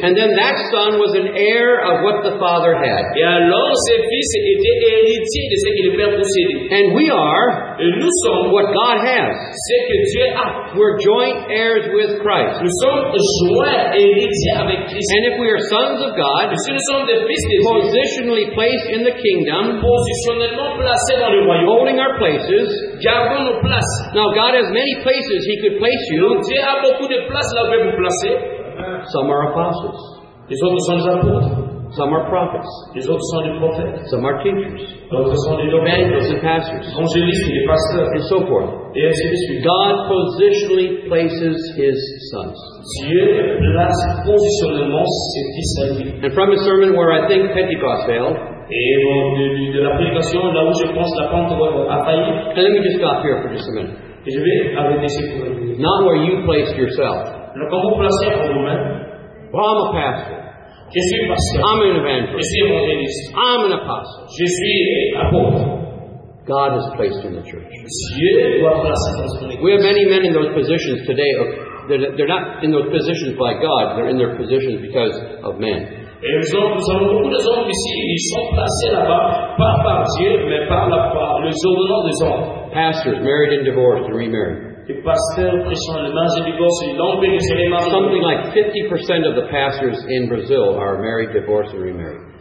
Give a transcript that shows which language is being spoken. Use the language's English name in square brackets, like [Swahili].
[English] And then that Son was an heir of what the Father had. [French] Et alors, ses fils étaient héritiers de ce que le Père possédait. [English] And we are. [French] Et nous sommes. [English] What God has. [French] C'est que Dieu a. [English] We're joint heirs with Christ. [French] Nous sommes joints héritiers avec Christ. [English] And if we are sons of God, [French] et si nous sommes des fils de Dieu, [English] positionally placed in the kingdom, [French] positionnellement placés dans le royaume, [English] holding our places, [French] gardons nos places. [English] Now God has many places He could place you. [French] Donc Dieu a beaucoup de places là où vous placer. [English] Some are apostles. [French] Les autres sont des apôtres. [English] Some are prophets. [French] Les autres sont des prophètes. [English] Some are teachers. [French] D'autres sont des [English] evangelists and pastors. [French] Evangelistes et des pasteurs. [English] And so forth. [French] Et ainsi de suite. [English] God positionally places His sons. [French] Dieu place positionnellement ses fils à lui. [English] And from a sermon where I think Pentecost failed. [French] Et de la prédication là où je pense la Pentecôte a failli. [English] And let me just stop here for just a minute. [French] Et je vais arrêter ici pour une minute. [English] Not where you placed yourself. [French] Le comment vous placez pour vous-même. [English] Well, I'm a pastor. [French] Je suis pasteur. [English] I'm an evangelist. [French] Je suis évangéliste. [English] I'm an apostle. [French] Je suis apôtre. [English] God has placed in the church. [French] Dieu doit placer dans son église. [English] We have many men in those positions today. They're not in those positions by God. They're in their positions because of men. [French] Et nous avons beaucoup de hommes ici. Ils sont placés là-bas, pas par Dieu, mais par le ordonnance des hommes. [English] Pastors married and divorced and remarried. Something like 50% of the pastors in Brazil are married, divorced, and remarried.